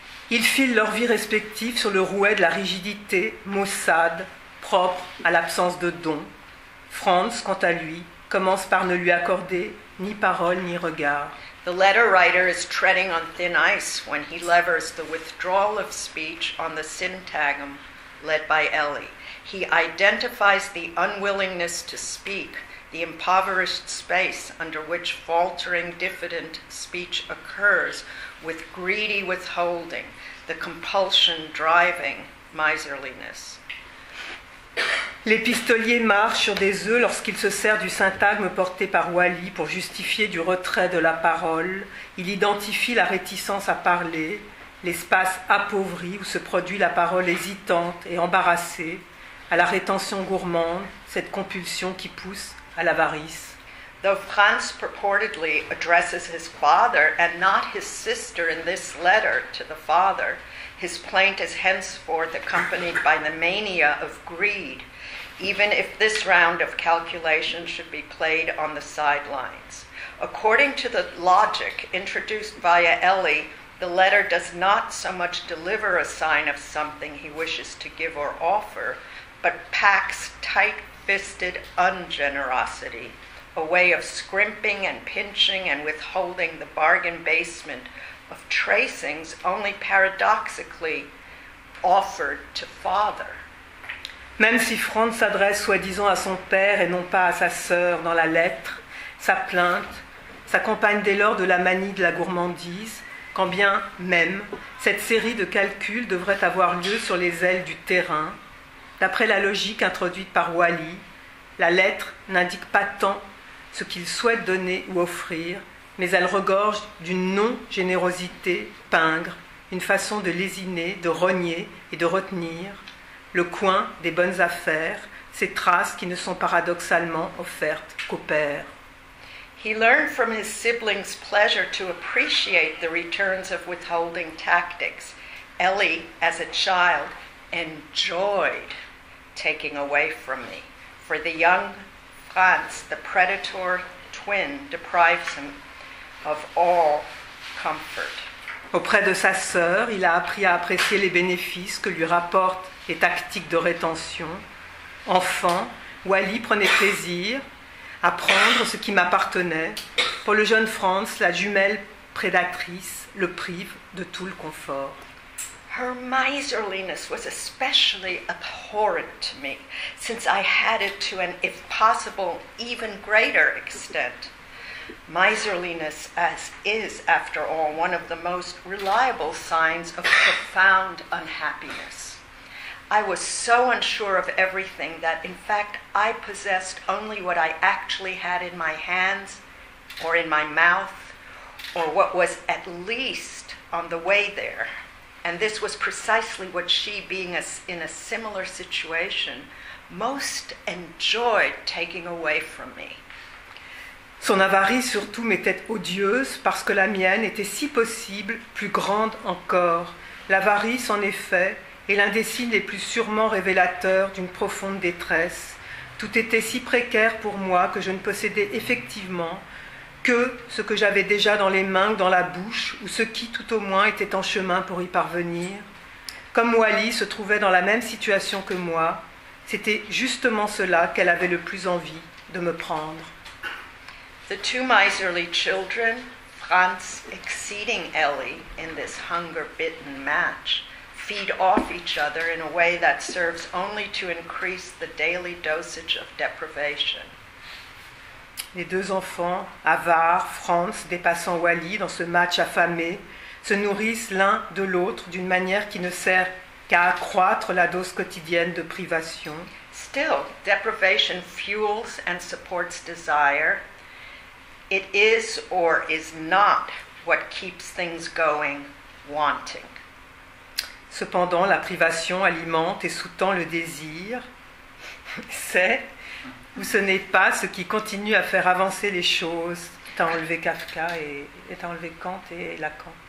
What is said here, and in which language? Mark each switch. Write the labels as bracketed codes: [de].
[fr] Ils filent leur vie respective sur le rouet de la rigidité maussade, propre à l'absence de don. Franz, quant à lui, commence par ne lui accorder ni parole ni regard. [en] The letter writer is treading on thin ice when he levers the withdrawal of speech on the syntagm led by Ellie. He identifies the unwillingness to speak, the impoverished space under which faltering, diffident speech occurs, with greedy withholding, the compulsion driving miserliness. [fr] L'épistolier marche sur des œufs lorsqu'il se sert du syntagme porté par Wally pour justifier du retrait de la parole. Il identifie la réticence à parler, l'espace appauvri où se produit la parole hésitante et embarrassée, à la rétention gourmande, cette compulsion qui pousse à l'avarice. [en] Though Franz purportedly addresses his father and not his sister in this letter to the father, his plaint is henceforth accompanied by the mania of greed, even if this round of calculation should be played on the sidelines. According to the logic introduced via Ellie, the letter does not so much deliver a sign of something he wishes to give or offer, but packs tight-fisted ungenerosity, a way of scrimping and pinching and withholding the bargain basement of tracings only paradoxically offered to father. [fr] Même si Franz s'adresse soi-disant à son père et non pas à sa sœur dans la lettre, sa plainte s'accompagne dès lors de la manie de la gourmandise, quand bien même cette série de calculs devrait avoir lieu sur les ailes du terrain. D'après la logique introduite par Wally, la lettre n'indique pas tant ce qu'il souhaite donner ou offrir, mais elle regorge d'une non-générosité pingre, une façon de lésiner, de rogner et de retenir le coin des bonnes affaires, ces traces qui ne sont paradoxalement offertes qu'au père. [en] He learned from his siblings' pleasure to appreciate the returns of withholding tactics. Ellie, as a child, enjoyed taking away from me. For the young Franz, the predator twin, deprives him of all comfort. [fr] Auprès de sa sœur, il a appris à apprécier les bénéfices que lui rapportent les tactiques de rétention. Enfant, Wally prenait plaisir à prendre ce qui m'appartenait. Pour le jeune Franz, la jumelle prédatrice le prive de tout le confort. [en] Her miserliness was especially abhorrent to me, since I had it to an, if possible, even greater extent. Miserliness, as is, after all, one of the most reliable signs of profound unhappiness. I was so unsure of everything that, in fact, I possessed only what I actually had in my hands, or in my mouth, or what was at least on the way there. And this was precisely what she, being in a similar situation, most enjoyed taking away from me. [fr] Son avarice surtout m'était odieuse parce que la mienne était si possible plus grande encore. L'avarice, en effet, est l'un des signes les plus sûrement révélateurs d'une profonde détresse. Tout était si précaire pour moi que je ne possédais effectivement que ce que j'avais déjà dans les mains ou dans la bouche, ou ce qui, tout au moins, était en chemin pour y parvenir. Comme Wally se trouvait dans la même situation que moi, c'était justement cela qu'elle avait le plus envie de me prendre. [en] The two miserly children, Franz exceeding Ellie in this hunger-bitten match, feed off each other in a way that serves only to increase the daily dosage of deprivation. [fr] Les deux enfants, avares, Franz dépassant Wally dans ce match affamé, se nourrissent l'un de l'autre d'une manière qui ne sert qu'à accroître la dose quotidienne de privation. [en] Still, deprivation fuels and supports desire. It is or is not what keeps things going, wanting. [fr] Cependant, la privation alimente et sous-tend le désir. C'est ou ce n'est pas ce qui continue à faire avancer les choses. T'as enlevé Kafka et t'as enlevé Kant et Lacan.